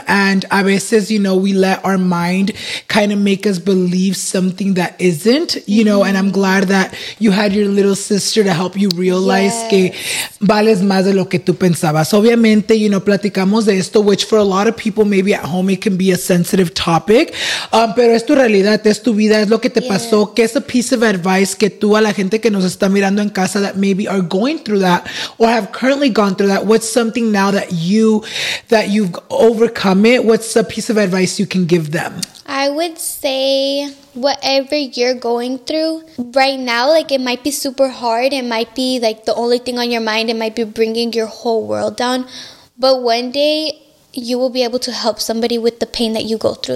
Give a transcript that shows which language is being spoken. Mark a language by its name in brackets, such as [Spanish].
[English] And [Spanish] a veces, [English] you know, we let our mind kind of make us believe something that isn't, you know. And I'm glad that you had your little sister to help you realize [Spanish] que vales más de lo que tú pensabas. Obviamente, [English] you know, [Spanish] platicamos de esto, [English] which for a lot of people, maybe at home, it can be a sensitive topic. [Spanish] Pero es tu realidad, es tu vida, es lo que te pasó. Que es [English] a piece of advice [Spanish] que tú a la gente que nos está mirando en casa, [English] that maybe are going through that or have currently gone through that, what's something now that you've overcome it, what's a piece of advice you can give them? I would say, whatever you're going through right now, like, it might be super hard, it might be like the only thing on your mind, it might be bringing your whole world down, but one day you will be able to help somebody with the pain that you go through.